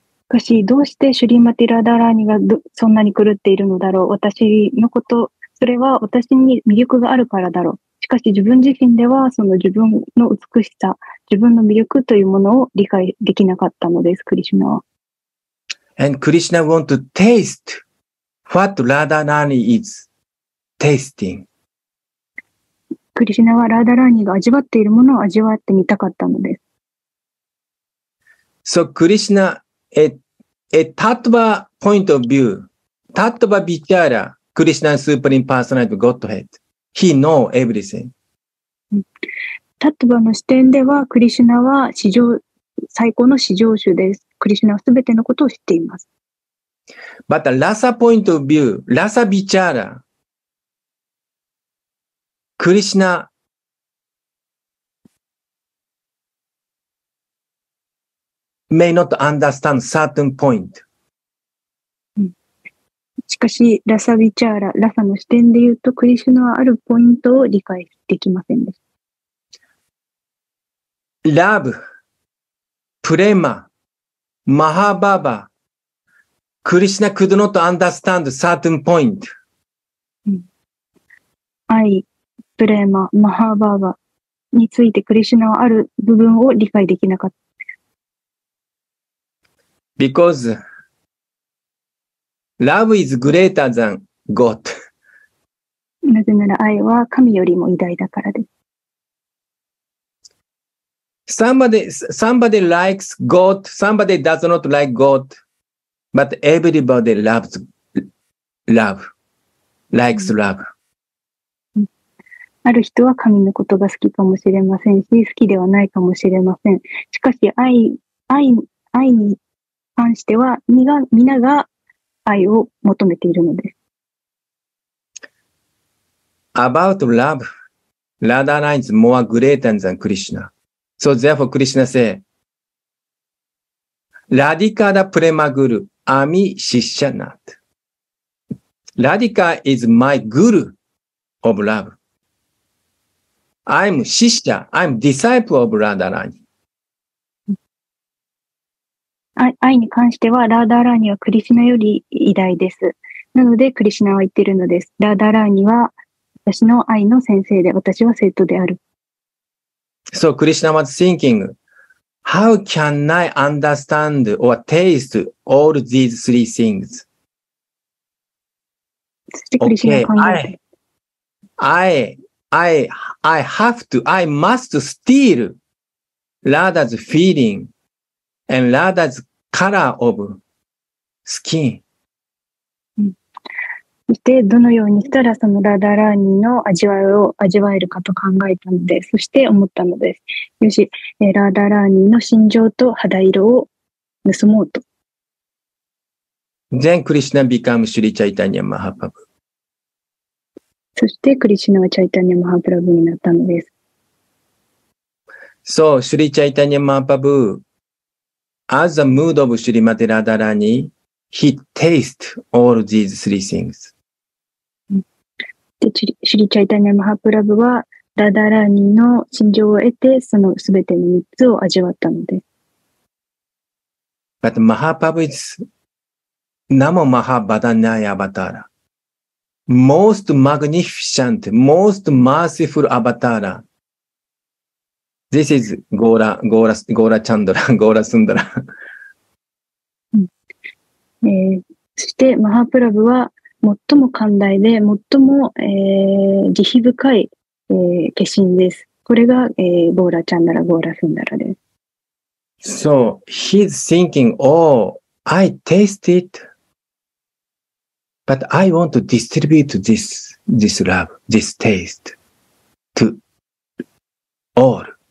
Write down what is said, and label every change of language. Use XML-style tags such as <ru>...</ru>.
<ja>しかし、どうしてシュリーマティ・ラダラーニがそんなに狂っているのだろう。私のこと、それは私に魅力があるからだろう。しかし、自分自身では、その自分の美しさ、自分の魅力というものを理解できなかったのです、クリシュナは。</ja> <en>And Krishna want to taste what Radharani is tasting.</en> <ja>クリシュナはラダラーニが味わっているものを味わってみたかったのです。</ja> <en>So Krishna, a tattva point of view, tattva vichara, Krishna supreme personality Godhead, he know everything.</en> <ja>Tattva の視点ではクリシュナは至上最高の至上主です。クリシュナはすべてのことを知っています。</ja> <en>But the rasa point of view, rasa vichara. クリシナ、may not understand certain point.</en> <ja>しかし、ラサビチャーラ、ラサの視点で言うと、クリシナはあるポイントを理解できませんでした。</ja> <en>Love, Prema, Mahababa, クリシナ could not understand certain point.</en> <ja>愛、プレーマ、マハーバーバについてクリシュナはある部分を理解できなかった。</ja> <en>Because love is greater than God.</en> <ja>なぜなら愛は神よりも偉大だからです。</ja> <en>Somebody likes God, somebody does not like God, but everybody loves love, likes love.</en> <ja>ある人は神のことが好きかもしれませんし、好きではないかもしれません。しかし、愛に関しては、皆が愛を求めているのです。</ja> <en>About love, Radharani is more greater than Krishna. So therefore, Krishna says, Radhika Premaguru Ami Shishyanat. Radhika is my guru of love. I'm Shishya, I'm disciple of Radharani.</en> <ja>愛に関してはラダラーニはクリシナより偉大です。なのでクリシナは言っているのです。ラダラーニは私の愛の先生で私は生徒である。</ja> <en>So Krishna was thinking, How can I understand or taste all these three things? Okay, I must steal Radha's feeling and Radha's color of skin.</en> <ja>そしてどのようにしたらそのラダラーニの味わいを味わえるかと考えたので、そして思ったのです。よし、ラダラーニの心情と肌色を盗もうと。</ja> <en>Then Krishna became Sri Chaitanya Mahaprabhu。</en> <ja>そしてクリシュナはチャイタニアマハプラブになったのです。</ja> <en>So Sri Chaitanya Mahaprabhu, as the mood of Sri Mata Radharani,He tastes all these three things.</en> <ja>で、シリチャイタニアマハプラブはラダラーニの心情を得て、そのすべての3つを味わったのです</ja> <en>。 But Mahaprabhu is Namo Mahabhadanaya Avatar, most magnificent, most merciful Avatar. This is Gaura Sundara.</en> <ja>そしてマハプラブは最も寛大で最も、慈悲深い、化身です。これが、ゴーラチャンダラ、ゴーラスンダラです。</ja> <en>So he's thinking, oh, I taste it, but I want to distribute this love, this taste to all。</en>